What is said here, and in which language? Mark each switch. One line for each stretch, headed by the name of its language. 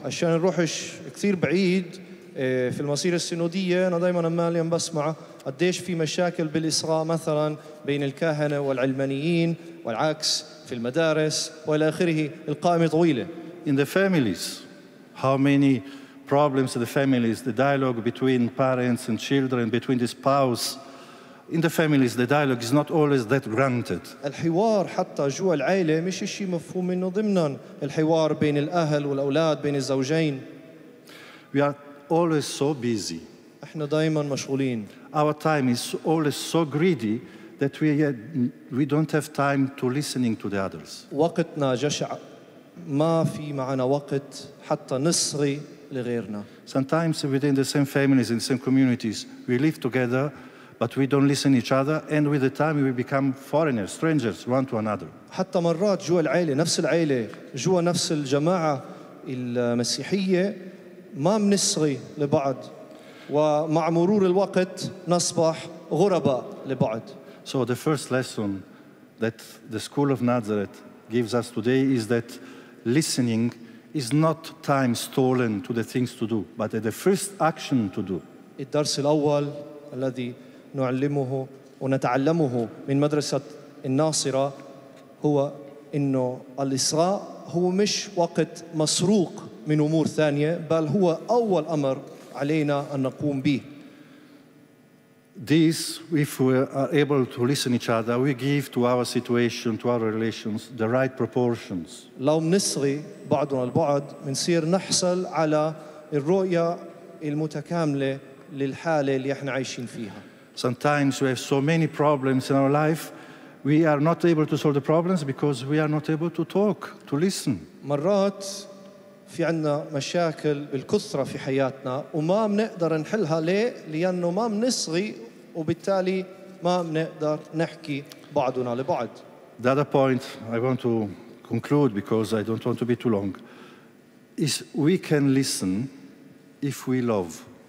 Arabic: عشان نروحش كثير بعيد في المسيرة السينودية أنا دائما عمال بسمع قديش في مشاكل بالإصغاء مثلا بين الكاهنة والعلمانيين والعكس في المدارس وإلى آخره القائمة طويلة.
English: In the families, how many problems of the families, the dialogue between parents and children, between the spouse. In the families, the dialogue is not always that granted.
Arabic: الحوار حتى جوا العائلة مش شيء مفهوم منه ضمناً الحوار بين الأهل والأولاد بين الزوجين.
English: We are always so busy.
Arabic: إحنا دائماً مشغولين.
English: Our time is always so greedy that we don't have time to listening to the others.
Arabic: وقتنا جشع ما في معنا وقت حتى نصغي لغيرنا.
English: Sometimes within the same families and same communities we live together but we don't listen to each other and with the time we become foreigners, strangers one to another.
Arabic: حتى مرات جوا العائله نفس العائله جوا نفس الجماعه المسيحيه ما بنصغي لبعض ومع مرور الوقت نصبح غرباء لبعض.
English: So the first lesson that the school of Nazareth gives us today is that listening is not time stolen to the things to do, but the first action to do.
Arabic: الدرس الأول الذي نعلمه ونتعلمه من مدرسة الناصرة هو إنه الإصغاء هو مش وقت مسروق من أمور ثانية بل هو أول أمر علينا أن نقوم به.
English: This, if we are able to listen to each other, we give to our situation, to our relations, the right proportions.
Arabic: لو منصغي بعضنا البعض منصير نحصل على الرؤية المتكاملة للحالة اللي احنا عايشين فيها.
English: Sometimes we have so many problems in our life, we are not able to solve the problems because we are not able to talk, to listen.
Arabic: مرات في عنا مشاكل بالكثرة في حياتنا وما منقدر نحلها ليه؟ لأنه ما منصغي وبالتالي ما منقدر نحكي بعضنا لبعض.
English: The other point I want to conclude because I don't want to be too long is we can listen if we love.